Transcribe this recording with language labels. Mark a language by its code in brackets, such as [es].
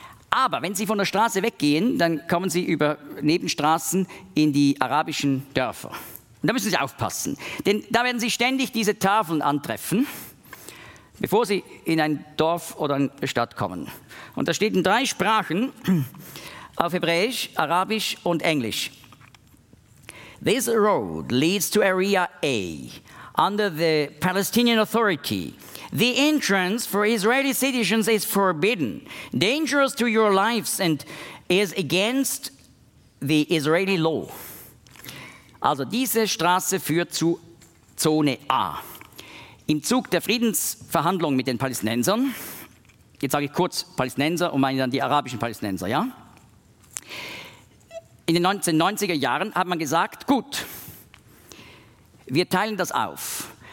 [de] Aber wenn Sie von der Straße weggehen, dann kommen Sie über Nebenstraßen in die arabischen Dörfer. Und da müssen Sie aufpassen, denn da werden Sie ständig diese Tafeln antreffen, bevor Sie in ein Dorf oder eine Stadt kommen. Und da steht in 3 Sprachen, auf Hebräisch, Arabisch und Englisch. [en] This road leads to Area A, under the Palestinian Authority. The entrance for Israeli citizens is forbidden, dangerous to your lives and is against the Israeli law. [de] Also diese Straße führt zu Zone A. Im Zug der Friedensverhandlungen mit den Palästinensern, jetzt sage ich kurz Palästinenser und meine dann die arabischen Palästinenser, ja? In den 1990er Jahren hat man gesagt, gut, wir teilen das auf.